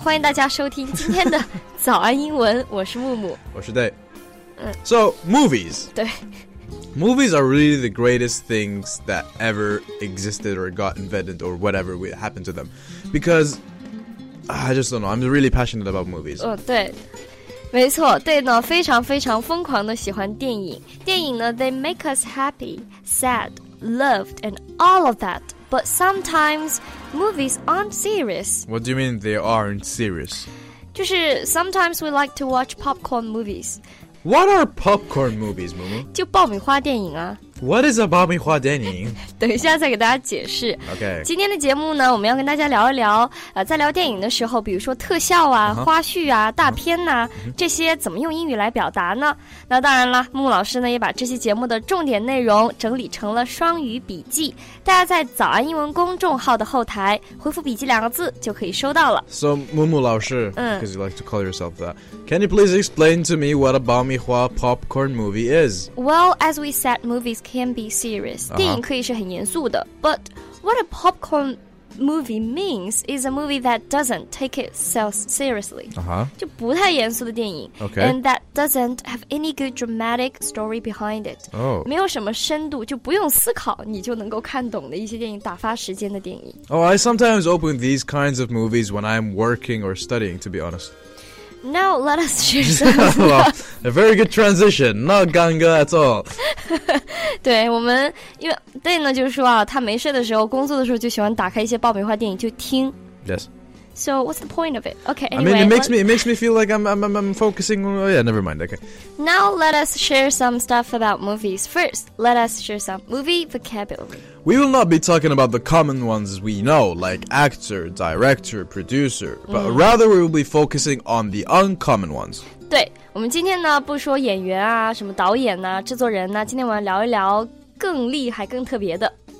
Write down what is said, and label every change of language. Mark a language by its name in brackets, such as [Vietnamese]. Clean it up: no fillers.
[Chinese] 欢迎大家收听今天的早安英文，我是木木，我是 Day。 [English] So movies. [Chinese] 对。 [English] Movies are really the greatest things that ever existed or got invented or whatever happened to them. Because I just don't know, I'm really passionate about movies. [Chinese] 对。没错，对呢，非常非常疯狂的喜欢电影。电影呢 [English] ，they make us happy, sad, loved, and all of that. But sometimes movies aren't serious. What do you mean they aren't serious? [Chinese] 就是 [English] sometimes we like to watch popcorn movies. What are popcorn movies, Mumu? [Chinese] 就爆米花电影啊。 [English] What is a 爆米花电影？ [Chinese] 等一下再给大家解释。 [English] OK。 [Chinese] 今天的节目呢，我们要跟大家聊一聊，在聊电影的时候，比如说特效啊、uh-huh. 花絮啊、大片呐、啊 uh-huh. 这些怎么用英语来表达呢？那当然了，木老师呢也把这期节目的重点内容整理成了双语笔记，大家在早安英文公众号的后台回复笔记两个字就可以收到了。 [English] So 木木老师，because you like to call yourself that, can you please explain to me what a 爆米花 popcorn movie is? Well, as we said, movies. Can be serious. [Chinese] 电影可以是很严肃的 [English] But what a popcorn movie means is a movie that doesn't take itself seriously. [Chinese] 就不太严肃的电影 [English] Okay. And that doesn't have any good dramatic story behind it. Oh. [Chinese] 没有什么深度，就不用思考，你就能够看懂的一些电影，打发时间的电影 [English] Oh, I sometimes open these kinds of movies when I'm working or studying, to be honest. Now, let us share some stuff. Well, a very good transition, not 尴尬 at all. [Chinese] 对，我们，因为 Day 呢，就是说啊，他没事的时候，工作的时候，就喜欢打开一些爆米花电影，就听。 [English] Yes. So, what's the point of it? Okay, anyway. I mean, it makes me feel like I'm focusing on, oh yeah, never mind, okay. Now, let us share some stuff about movies. First, let us share some movie vocabulary. We will not be talking about the common ones we know, like actor, director, producer, but rather we will be focusing on the uncommon ones. [Chinese] 对，我们今天呢，不说演员啊，什么导演啊，制作人啊，今天我们聊一聊更厉害，更特别的。